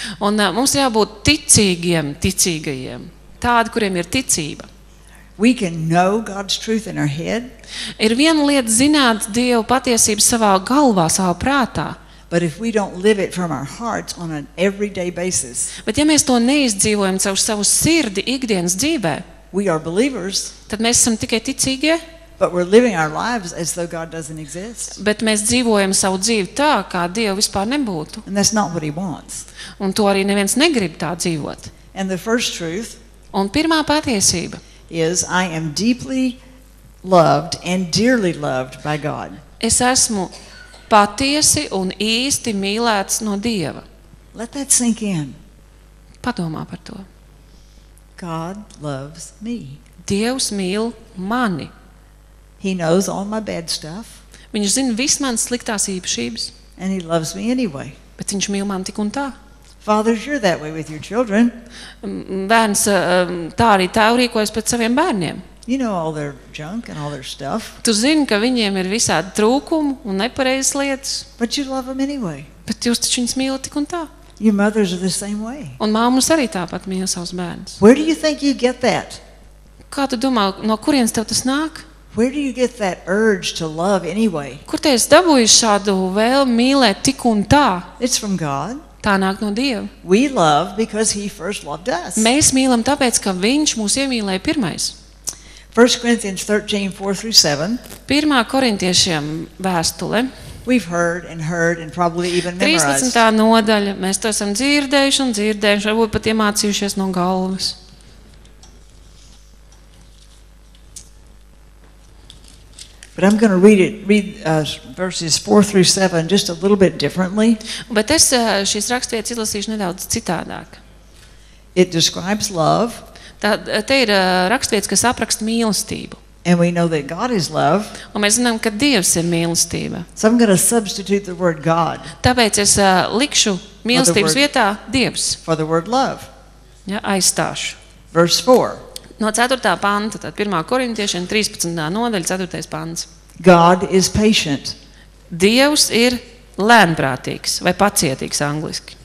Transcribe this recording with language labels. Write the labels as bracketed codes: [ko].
[lv] Un mums jābūt ticīgiem, ticīgajiem, tādi, kuriem ir ticība. [en] We can know God's truth in our head. [lv] Ir viena lieta zināt Dievu patiesību savā galvā, savā prātā. [en] But if we don't live it from our hearts on an everyday basis. [lv] Bet ja mēs to neizdzīvojam caur savu sirdi ikdienas dzīvē. [en] We are believers. [lv] Tad mēs esam tikai ticīgie. [en] But we're living our lives as though God doesn't exist. [lv] Bet mēs dzīvojam savu dzīvi tā, kā Dievu vispār nebūtu. [en] And that's not what he wants. [lv] Un to arī neviens negrib tā dzīvot. [en] And the first truth. [lv] Un pirmā patiesība. [en] Is I am deeply loved and dearly loved by God. [lv] Es esmu patiesi un īsti mīlēts no Dieva. [en] Let that sink in. [lv] Padomā par to. [en] God loves me. [lv] Dievs mīl mani. [en] He knows all my bad stuff. [lv] Viņš zina visu manas sliktās īpašības. [en] And he loves me anyway. [lv] Bet viņš mīl mani tik un tā. [en] Fathers, you're that way with your children. [lv] Bērns, tā arī tēvi rīkojas pret saviem bērniem. [en] You know all their junk and all their stuff. [lv] Tu zini, ka viņiem ir visādi trūkumi un nepareizas lietas. [en] But you love them anyway. [lv] Bet jūs taču viņus mīlat tik un tā. [en] Your mothers are the same way. [lv] Un māmas arī tāpat mīl savus bērnus. [en] Where do you think you get that? [lv] Kā tu domā, no kurienes tev tas nāk? [en] Where do you get that urge to love anyway? [lv] Kur tu esi dabūjis šādu vēlmi mīlēt tik un tā? [en] It's from God. [lv] Tā nāk no Dieva. [en] We love because he first loved us. [lv] Mēs mīlam tāpēc, ka viņš mūs iemīlēja pirmais. [en] 1 Corinthians 13:4-7. [lv] Pirmā Korintiešiem vēstule. [en] We've heard and heard and probably even memorized. [lv] 13. Nodaļa. Mēs to esam dzirdējuši un dzirdējuši, varbūt pat iemācījušies no galvas. [en] But I'm going to read verses 4-7 just a little bit differently. [lv] Bet es šīs rakstvietas izlasīšu nedaudz citādāk. [en] It describes love. [lv] Te ir rakstvietas, kas apraksta mīlestību. [en] And we know that God is love. [lv] Un mēs zinām, ka Dievs ir mīlestība. [en] So I'm going to substitute the word God. [lv] Tāpēc es likšu mīlestības vietā Dievs. [en] For the word love. [lv] Ja, aizstāšu. [en] Verse 4. [lv] No 4. Panta, tad 1. Korintiešiem 13. Nodaļa, 4. pants. [en] God is patient. [lv] Dievs ir lēnprātīgs vai pacietīgs angliski.